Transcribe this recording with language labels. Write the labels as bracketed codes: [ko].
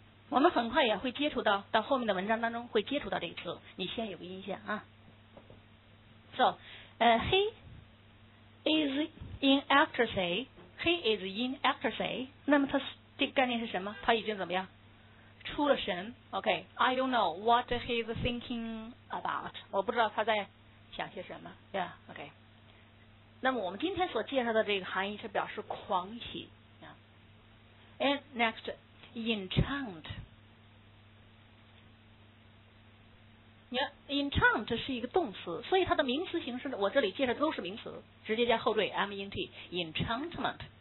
[zh] 我们很快也会接触到后面的文章当中会接触到这个词，你先有个印象啊。 [en] So， he is in ecstasy， he is in ecstasy。 [zh] 那么它这个概念是什么？他已经怎么样？出了神。 [en] OK， I don't know what he is thinking about。 [zh] 我不知道他在。想些什么 ？Yeah, OK。那么我们今天所介绍的这个含义是表示狂喜。 [en] Yeah. And next, enchant. [zh] Yeah, enchant 是一个动词，所以它的名词形式，我这里介绍的都是名词，直接加后缀 ment, enchantment。